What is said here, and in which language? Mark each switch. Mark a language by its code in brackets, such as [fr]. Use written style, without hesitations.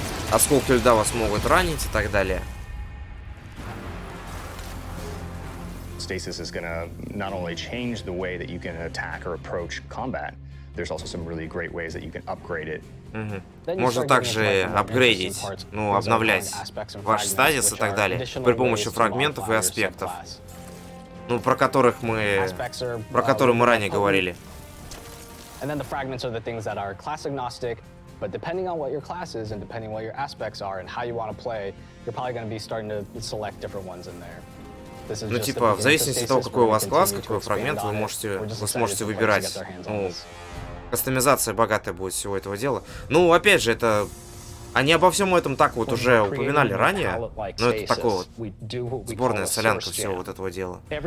[ru] Осколки льда вас могут ранить и так далее. [en] Stasis is going to not only change the way that you can attack or approach combat, there's also some really great ways that you can upgrade it. [ru] Можно также апгрейдить, ну, обновлять ваш стазис и так далее при помощи фрагментов и аспектов, ну, про которые мы ранее говорили. [en] And then the fragments are the things that are class agnostic, but depending on what your class is and depending what your aspects are and how you want to play, you're probably going to be starting to select different ones in there. [ru] Ну, типа, в зависимости от того, какой у вас класс, какой фрагмент, вы сможете выбирать. Ну, кастомизация богатая будет всего этого дела. Ну, опять же, это... Они обо всем этом так вот уже упоминали ранее, но это такое вот сборная солянка всего вот этого дела.